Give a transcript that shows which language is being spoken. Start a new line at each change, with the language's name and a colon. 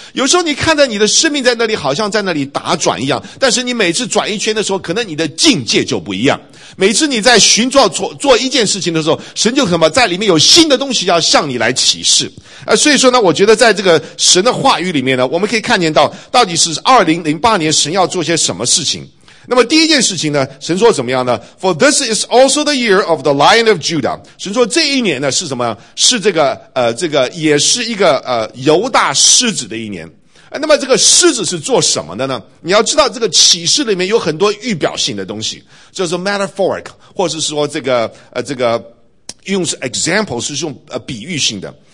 Chinese: 有时候你看到你的生命在那里好像在那里打转一样，但是你每次转一圈的时候，可能你的境界就不一样。每次你在寻找做一件事情的时候，神就什么在里面有新的东西要向你来启示。所以说呢，我觉得在这个神的话语里面呢，我们可以看见到底是2008年神要做些什么事情。那么第一件事情呢，神说怎么样呢？
English: For this is also the year of the Lion of Judah。
Chinese: 神说这一年呢是什么？是这个也是一个犹大狮子的一年。那么这个狮子是做什么的呢？你要知道这个启示里面有很多预表性的东西，就是 metaphoric， 或者是说这个用 example， 是用比喻性的。